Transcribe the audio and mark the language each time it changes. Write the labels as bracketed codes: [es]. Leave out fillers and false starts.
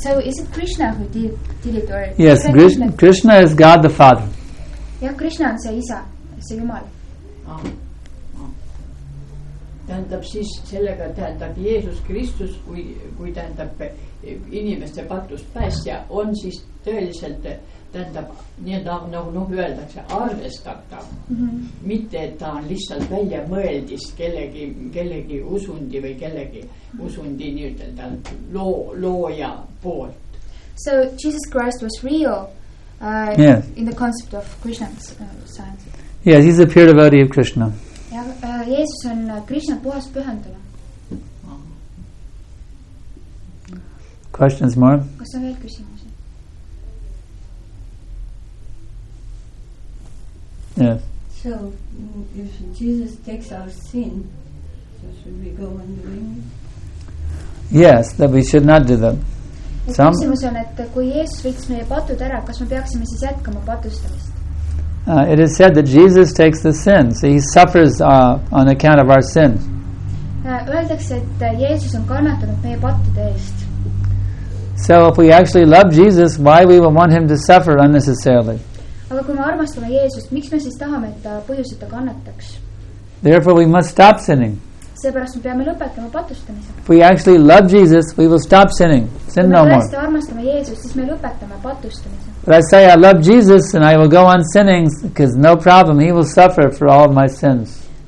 [en] So, is it Krishna who did it, or yes, Krishna is God the Father. [et] Yeah, Krishna on see isa, see Jumal. Tähendab siis sellega, tähendab Jeesus Kristus, kui tähendab inimeste patus pääs ja on siis tõeliselt, tähendab, nii et noh, öeldakse arvestatav, mitte et ta on lihtsalt välja mõeldis kellegi usundi või kellegi usundi nii-ütelda looja poolt. [en] So Jesus Christ was real in the concept of Krishna's science. Yeah, he's a pure devotee of Krishna. [et] Ja Jeesus on Krishna puhast pühendunud. [en] Questions more? [et] Kas on veel küsimus? [en] Yes. So, if Jesus takes our sin, so should we go on doing it? Yes, that we should not do that. [et] Küsimus on, et kui Jeesus võiks meie patud ära, kas me peaksime siis jätkama patustamist? [en] It is said that Jesus takes the sins. He suffers on account of our sins. [et] Öeldakse, et Jeesus on kannatanud meie pattude eest. [en] So if we actually love Jesus, why we would want him to suffer unnecessarily? [et] Aga kui me armastame Jeesust, miks me siis tahame, et ta põhjuseta kannataks? [en] Therefore we must stop sinning. [et] Seepärast me peame lõpetama patustamise. [en] If we actually love Jesus, we will stop sinning. Sin no more. [et] Kui me armastame Jeesust, siis me lõpetame patustamise. [en] But I say I love Jesus and I will go on sinning because no problem, he will suffer for all of my sins.